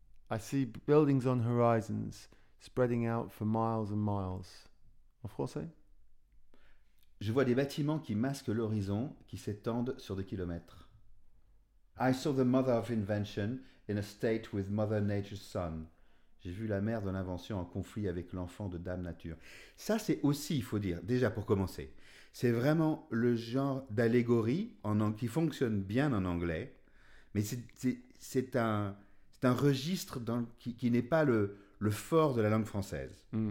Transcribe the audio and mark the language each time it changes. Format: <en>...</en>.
<en>I see buildings on horizons spreading out for miles and miles.</en> <fr>En français? Je vois des bâtiments qui masquent l'horizon, qui s'étendent sur des kilomètres.</fr> <en>I saw the mother of invention in a state with mother nature's son.</en> <fr>J'ai vu la mère de l'invention en conflit avec l'enfant de dame nature. Ça, c'est aussi, il faut dire, déjà pour commencer, c'est vraiment le genre d'allégorie qui fonctionne bien en anglais, mais c'est un registre qui n'est pas le fort de la langue française.</fr>